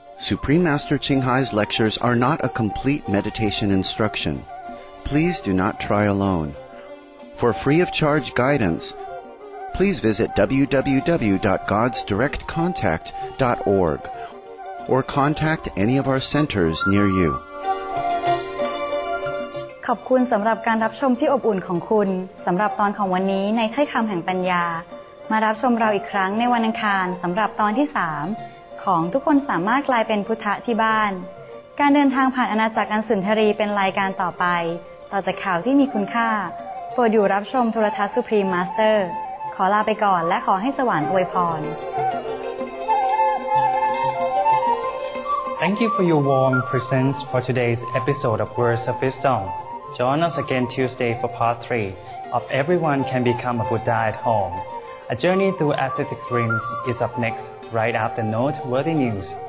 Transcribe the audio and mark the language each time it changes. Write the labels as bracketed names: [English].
[English] Supreme Master Qinghai's lectures are not a complete meditation instruction. Please do not try alone. For free of charge guidance, please visit www.godsdirectcontact.org or contact any of our centers near you. [Thai] ขอบคุณสำหรับการรับชมที่อบอุ่นของคุณสำหรับตอนของวันนี้ในถ้อยคำแห่งปัญญามารับชมเราอีกครั้งในวันอังคารสำหรับตอนที่3ของทุกคนสามารถกลายเป็นพุทธะที่บ้านการเดินทางผ่านอาณาจักรอัญสุนทรีเป็นรายการต่อไปต่อจากข่าวที่มีคุณค่าโปรดอยู่รับชมโทรทัศน์ Supreme Master ขอลาไปก่อนและขอให้สวรรค์อวยพร [English] Thank you for your warm presence for today's episode of Words of Wisdom Join us again Tuesday for part 3 of Everyone Can Become a Buddha at HomeA journey through ascetic dreams is up next, right after noteworthy news.